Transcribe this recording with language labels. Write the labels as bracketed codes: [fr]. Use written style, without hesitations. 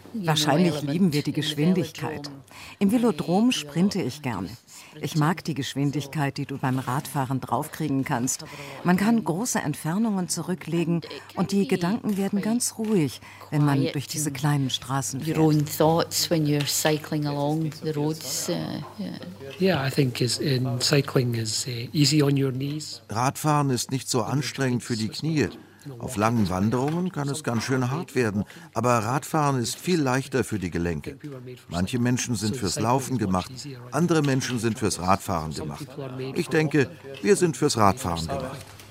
[de] Wahrscheinlich lieben wir die Geschwindigkeit. Im Velodrom sprinte ich gerne. Ich mag die Geschwindigkeit, die du beim Radfahren draufkriegen kannst. Man kann große Entfernungen zurücklegen und die Gedanken werden ganz ruhig, wenn man durch diese kleinen Straßen fährt. [en] Your own thoughts when you're cycling along the roads. Yeah, I think cycling is easy on your knees. [de] Radfahren ist nicht so anstrengend für die Knie. Auf langen Wanderungen kann es ganz schön hart werden, aber Radfahren ist viel leichter für die Gelenke. Manche Menschen sind fürs Laufen gemacht, andere Menschen sind fürs Radfahren gemacht. Ich denke, wir sind fürs Radfahren gemacht.